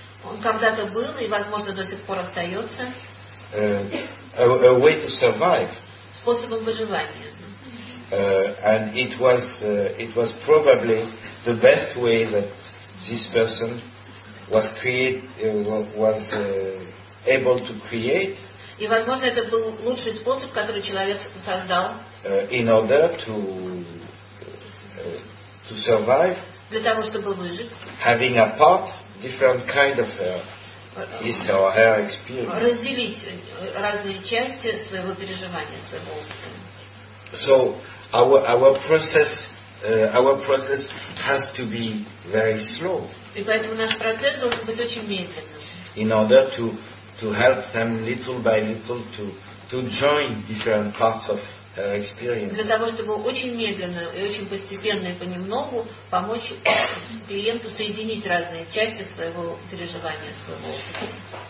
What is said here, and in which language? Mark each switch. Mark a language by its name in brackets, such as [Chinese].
[Russian] Он когда-то был и, возможно, до сих пор остается. [English] A way to survive. [Russian] Способом выживания. [English] And it was probably the best way that this person was able to create. [Russian] И, возможно, это был лучший способ, который человек создал. [English] In order to survive. [Russian] Для того, чтобы выжить. [English] Having a part. Different kind of is our her experience. [Russian] Разделить разные части своего переживания, своего опыта. [English] So our process has to be very slow. [Russian] И поэтому наш процесс должен быть очень медленным. [English] In order to help them little by little to join different parts of her experience. [Russian] Для того, чтобы очень медленно и очень постепенно и понемногу помочь клиенту соединить разные части своего переживания, своего опыта.